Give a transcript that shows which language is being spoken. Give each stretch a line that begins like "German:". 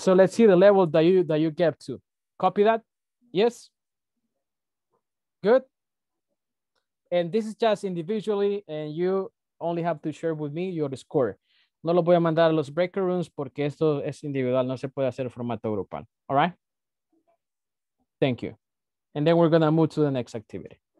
English: So let's see the level that you get to. Copy that? Yes? Good? And this is just individually, and you only have to share with me your score.
Spanish: No lo voy a mandar a los breaker rooms porque esto es individual. No se puede hacer formato grupal.
English: All right? Thank you. And then we're going to move to the next activity.